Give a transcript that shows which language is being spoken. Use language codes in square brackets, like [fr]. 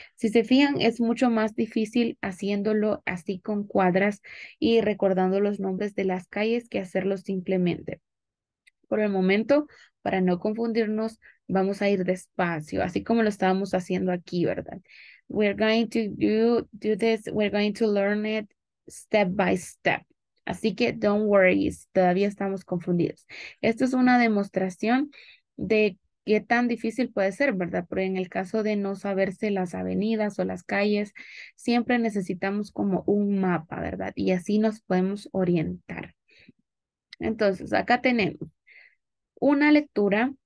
[es] Si se fijan, es mucho más difícil haciéndolo así con cuadras y recordando los nombres de las calles que hacerlo simplemente. Por el momento, para no confundirnos, vamos a ir despacio, así como lo estábamos haciendo aquí, ¿verdad? [en] We're going to do this, we're going to learn it step by step. [es] Así que [en] don't worry, [es] todavía estamos confundidos. Esto es una demostración de qué tan difícil puede ser, ¿verdad? Pero en el caso de no saberse las avenidas o las calles, siempre necesitamos como un mapa, ¿verdad? Y así nos podemos orientar. Entonces, acá tenemos una lectura.